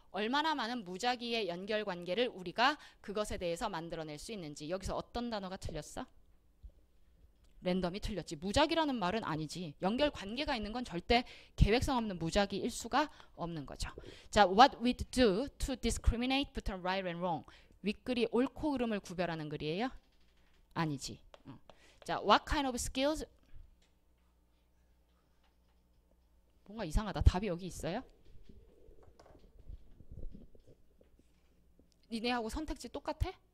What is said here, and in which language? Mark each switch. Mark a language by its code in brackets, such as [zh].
[ko] 얼마나 많은 무작위의 연결 관계를 우리가 그것에 대해서 만들어낼 수 있는지. 여기서 어떤 단어가 틀렸어? 랜덤이 틀렸지. 무작위라는 말은 아니지. 연결 관계가 있는 건 절대 계획성 없는 무작위일 수가 없는 거죠. [en] 자, what we do to discriminate between right and wrong. [ko] 윗글이 옳고 그름을 구별하는 글이에요? 아니지. [en] 자, what kind of skills? [ko] 뭔가 이상하다. 답이 여기 있어요? 니네하고 선택지 똑같아?